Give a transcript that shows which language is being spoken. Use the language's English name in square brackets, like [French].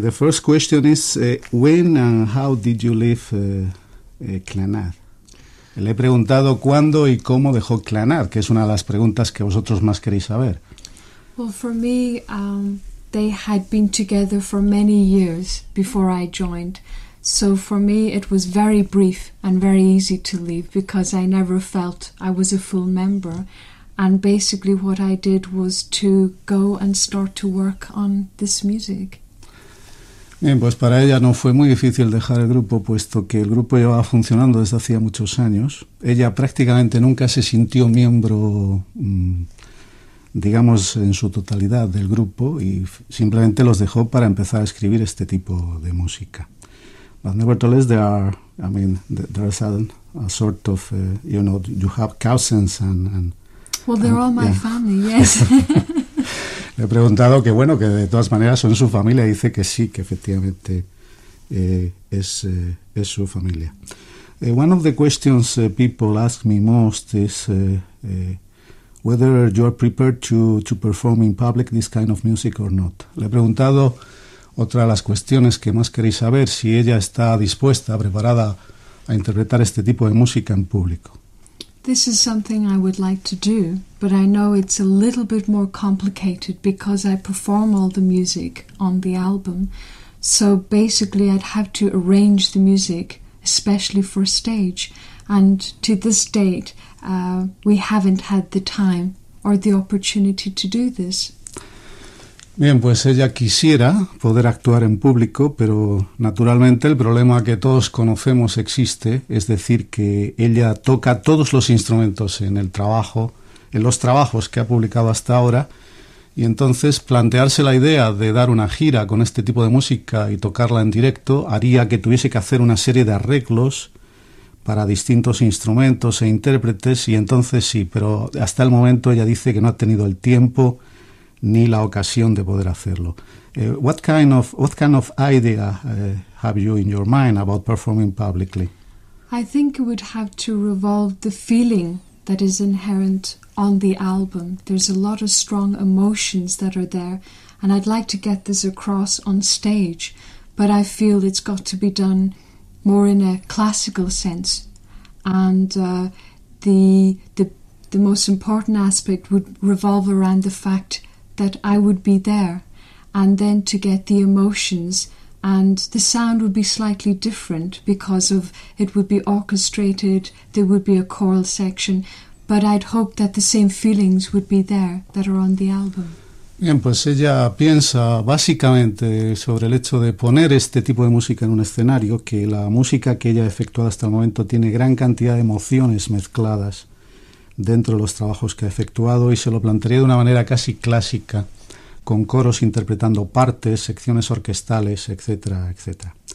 [English] The first question is, when and how did you leave Clannad? [Spanish] Le he preguntado cuándo y cómo dejó Clannad, que es una de las preguntas que vosotros más queréis saber. [English] Well, for me, they had been together for many years before I joined. So for me, it was very brief and very easy to leave because I never felt I was a full member. And basically what I did was to go and start to work on this music. [Spanish] Bien, pues para ella no fue muy difícil dejar el grupo, puesto que el grupo llevaba funcionando desde hacía muchos años. Ella prácticamente nunca se sintió miembro, digamos, en su totalidad del grupo y simplemente los dejó para empezar a escribir este tipo de música. [English] But nevertheless, there are, I mean, there is a sort of, you know, you have cousins and well, they're all my family, yes. [Spanish] Le he preguntado que, bueno, que de todas maneras son su familia. Y dice que sí, que efectivamente es su familia. [English] One of the questions people ask me most is whether you are prepared to perform in public this kind of music or not. [Spanish] Le he preguntado otra de las cuestiones que más queréis saber, si ella está dispuesta, preparada a interpretar este tipo de música en público. [English] This is something I would like to do, but I know it's a little bit more complicated because I perform all the music on the album. So basically I'd have to arrange the music, especially for stage. And to this date, we haven't had the time or the opportunity to do this. [Spanish] Bien, pues ella quisiera poder actuar en público, pero naturalmente el problema que todos conocemos existe, es decir, que ella toca todos los instrumentos en el trabajo, en los trabajos que ha publicado hasta ahora, y entonces plantearse la idea de dar una gira con este tipo de música y tocarla en directo haría que tuviese que hacer una serie de arreglos para distintos instrumentos e intérpretes, y entonces sí, pero hasta el momento ella dice que no ha tenido el tiempo ni la ocasión de poder hacerlo. [English] What kind of idea have you in your mind about performing publicly? I think it would have to revolve the feeling that is inherent on the album. There's a lot of strong emotions that are there, and I'd like to get this across on stage, but I feel it's got to be done more in a classical sense, and the most important aspect would revolve around the fact that I would be there, and then to get the emotions, and the sound would be slightly different because of it would be orchestrated, there would be a choral section, but I'd hope that the same feelings would be there that are on the album. [Spanish] Bien, pues ella piensa básicamente sobre el hecho de poner este tipo de música en un escenario, que la música que ella ha efectuado hasta el momento tiene gran cantidad de emociones mezcladas dentro de los trabajos que ha efectuado, y se lo plantearía de una manera casi clásica, con coros interpretando partes, secciones orquestales, etcétera, etcétera.